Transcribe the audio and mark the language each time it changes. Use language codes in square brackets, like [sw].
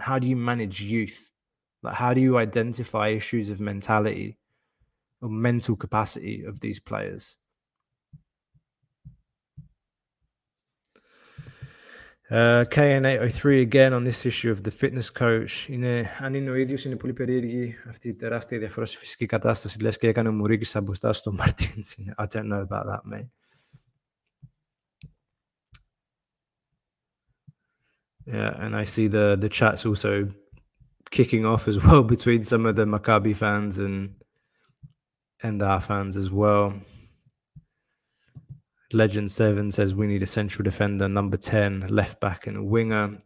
[en] How do you manage youth? Like, how do you identify issues of mentality? Or mental capacity of these players. KN803 again on this issue of the fitness coach. [el] Είναι, αν είναι ο ίδιος, είναι πολύ περίεργη αυτή η τεράστια διαφορά στη φυσική κατάσταση. Λες και έκανε ο Μουρίκης μπροστά στο Μαρτίνς. [en] I don't know about that, mate. Yeah, and I see the chats also kicking off as well between some of the Maccabi fans and our fans as well. Legend 7 says we need a central defender, number 10, left back and a winger.